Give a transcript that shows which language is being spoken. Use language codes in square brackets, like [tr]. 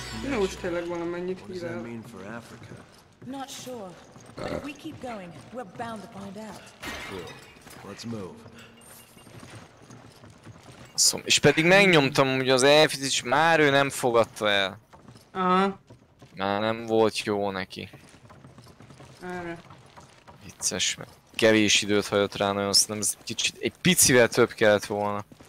[hu] Jó, úgy tényleg valamennyit hírál. [en] Not sure, but if we keep going, we're bound to find out. Cool. Let's move. [hu] Szóval, és pedig megnyomtam ugye az elfit, és már ő nem fogadta el. Aha. Már nem volt jó neki. Erre. Vicces, mert kevés időt hagyott rá nagyon, szerintem ez kicsit, egy picivel több kellett volna.